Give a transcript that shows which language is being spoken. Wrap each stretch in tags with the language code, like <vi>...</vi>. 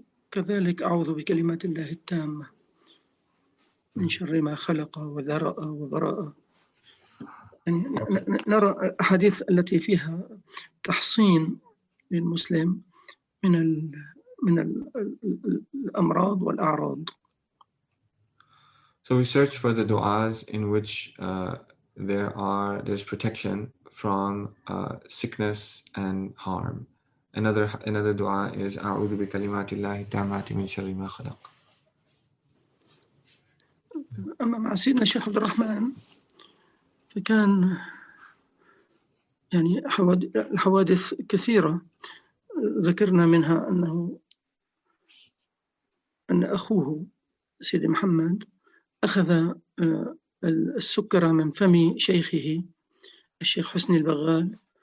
<ar>كذلك أعوذ بكلمات الله التامة من شر ما خلق وذرأ وبرأ. يعني نرى الأحاديث التي فيها تحصين للمسلم من الأمراض والأعراض.</ar> <en>So we search for the du'as in which there's protection from sickness and harm. Another du'a is</en> <ar>أعوذ بكلمات الله التامات من شر ما خلق. أما مع سيدنا الشيخ عبد الرحمن فكان يعني الحوادث كثيرة، ذكرنا منها أن أخوه سيد محمد أخذ السكر من فم شيخه الشيخ حسني البغال</ar>